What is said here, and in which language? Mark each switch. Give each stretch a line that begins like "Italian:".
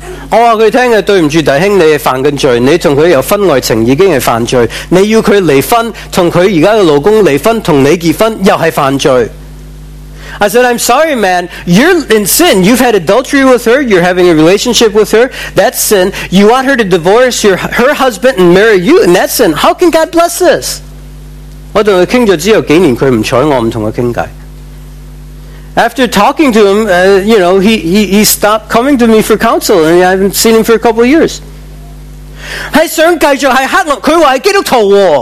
Chinese: 我告诉他，对不住弟兄，你犯了罪，你跟他有婚外情已经是犯罪，你要他离婚，跟他现在的老公离婚，跟你结婚又是犯罪。
English: I said, I'm sorry, man, you're in sin. You've had adultery with her, you're having a relationship with her, that's sin. You want her to divorce her husband and marry you, and that's sin. How can God bless this?
Chinese: 我跟他谈了之后几年，他不睬我，不跟他谈话。
English: After talking to him, you know, he stopped coming to me for counsel, and I haven't seen him for a couple of years.
Chinese: 是想继续是黑暗，他说是基督徒。